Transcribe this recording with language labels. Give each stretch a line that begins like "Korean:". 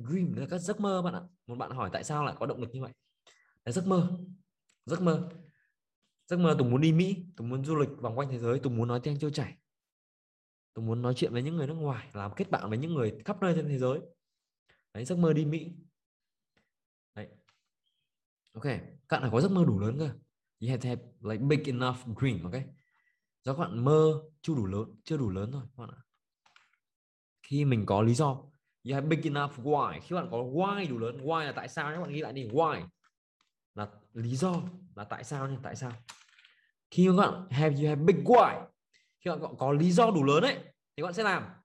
Vietnamese: Dream là các giấc mơ bạn ạ. Một bạn hỏi tại sao lại có động lực như vậy. Là giấc mơ. Giấc mơ. Giấc mơ Tùng muốn đi Mỹ. Tùng muốn du lịch vòng quanh thế giới. Tùng muốn nói tiếng trôi chảy. Tôi muốn nói chuyện với những người nước ngoài, làm kết bạn với những người khắp nơi trên thế giới. Đấy, giấc mơ đi Mỹ. Đấy. Ok, các bạn phải có giấc mơ đủ lớn cơ.
English: You have to have like big enough dream, ok.
Vietnamese: Do các bạn mơ chưa đủ lớn thôi các bạn ạ. Khi mình có lý do,
English: you have big enough why.
Vietnamese: Khi bạn có why đủ lớn, why là tại sao, các bạn ghi lại đi, why. Là lý do, là tại sao. Khi các bạn
English: you have big why.
Vietnamese: Khi bạn có lý do đủ lớn ấy, thì bạn sẽ làm.